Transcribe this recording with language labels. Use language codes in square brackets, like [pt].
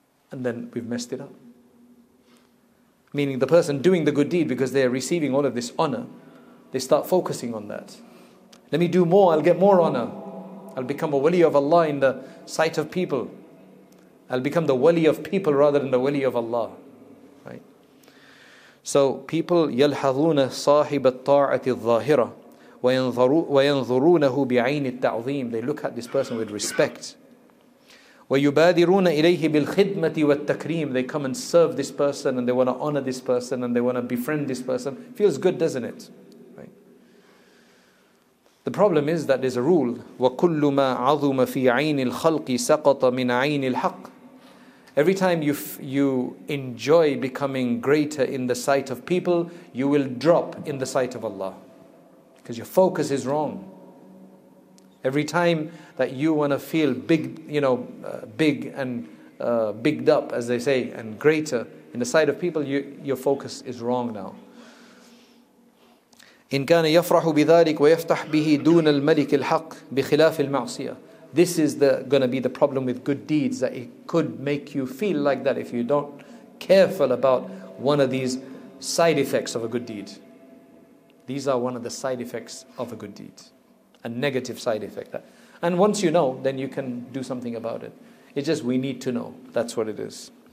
[en] And then we've messed it up. Meaning the person doing the good deed, because they're receiving all of this honor, they start focusing on that. Let me do more, I'll get more honor. I'll become a wali of Allah in the sight of people. I'll become the wali of people rather than the wali of Allah. Right? So people, [ar] يَلْحَظُونَ صَاحِبَ الطَّاعَةِ الظَّاهِرَةِ وَيَنْظُرُونَهُ بِعَيْنِ التَّعْظِيمِ. [en] They look at this person with respect. [ar] وَيُبَادِرُونَ إِلَيْهِ بِالْخِدْمَةِ وَالتَّكْرِيمِ. [en] They come and serve this person and they want to honor this person and they want to befriend this person. Feels good, doesn't it? Right. The problem is that there's a rule. [ar] وَكُلُّ مَا عَظُمَ فِي عَيْنِ الْخَلْقِ سَقَطَ مِنْ عَيْنِ الْحَقِّ. [en] Every time you enjoy becoming greater in the sight of people, you will drop in the sight of Allah. because your focus is wrong. Every time that you want to feel big, you know, big and bigged up, as they say, and greater in the sight of people, your focus is wrong now. [ar] إن كان يفرح بذلك ويفتح به دون الملك الحق بخلاف المعصية. [en] This is going to be the problem with good deeds, that it could make you feel like that if you don't careful about one of these side effects of a good deed. These are one of the side effects of a good deed, a negative side effect. And once you know, then you can do something about it. It's just we need to know. That's what it is.